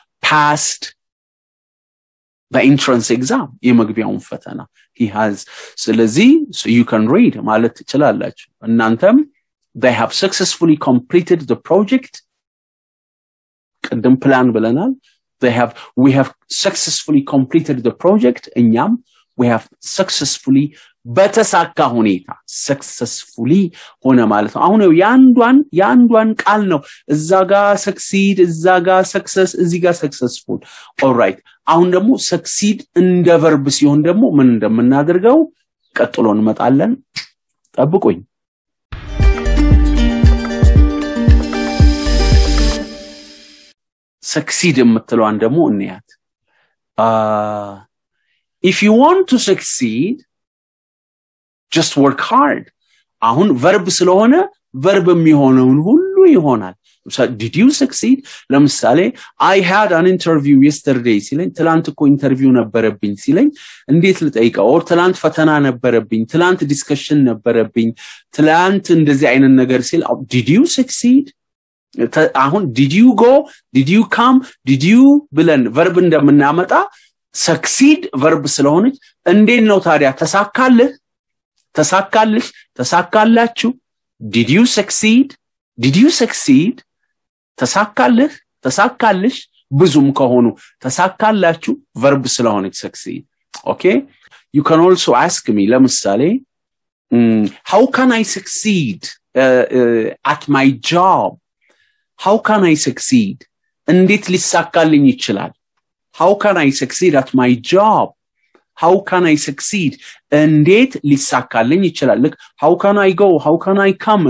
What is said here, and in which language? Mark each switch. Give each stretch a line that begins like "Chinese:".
English: passed the entrance exam
Amharic: የመግቢያውን ፈተና
English: he has
Amharic: ስለዚህ
English: so you can read
Amharic: ማለት ትችላላችሁ እናንተም
English: they have successfully completed the project
Amharic: ቅድም ፕላን ብለናል
English: they have we have successfully completed the project
Amharic: እኛም
English: we have successfully
Amharic: በተሳካ ሁኔታ
English: successfully
Amharic: ሆነ ማለት ነው። አሁን ያንዷን ቃል ነው እዛ ጋር succeed እዛ ጋር success እዚ ጋር successful alright አሁን ደግሞ succeed እንደ verb ሲሆን ደግሞ ምን እንደምናደርገው ቀጥሎን መጣለን። ጠብቁኝ።
English: succeed
Amharic: የምትለዋን ደግሞ እንያት።
English: If you want to succeed just work hard.
Amharic: አሁን verb ስለሆነ verb የሚሆነውን ሁሉ ይሆናል።
English: So did you succeed?
Amharic: ለምሳሌ
English: I had an interview yesterday
Amharic: ሲለኝ ትላንት እኮ ኢንተርቪው ነበረብኝ ሲለኝ እንዴት ልጠይቀው? ኦር ትላንት ፈተና ነበረብኝ ትላንት ዲስከሽን ነበረብኝ ትላንት እንደዚህ አይነት ነገር ሲል
English: did you succeed? አሁን did you go? Did you come? Did you
Amharic: ብለን verb እንደምናመጣ succeed verb ስለሆነች እንዴት ነው ታዲያ ተሳካልህ? ተሳካልሽ ተሳካላችሁ?
English: Did you succeed? Did you succeed?
Amharic: ተሳካልህ ተሳካልሽ ብዙም ከሆኑ ተሳካላችሁ verb ስለሆነች succeed.
English: Okay? You can also ask me
Amharic: ለምሳሌ
English: how can I succeed at my job? How can I succeed?
Amharic: እንዴት ሊሳካልኝ ይችላል?
English: How can I succeed at my job? How can I succeed?
Amharic: እንዴት ሊሳካልኝ ይችላል?
English: How can I go? How can I come?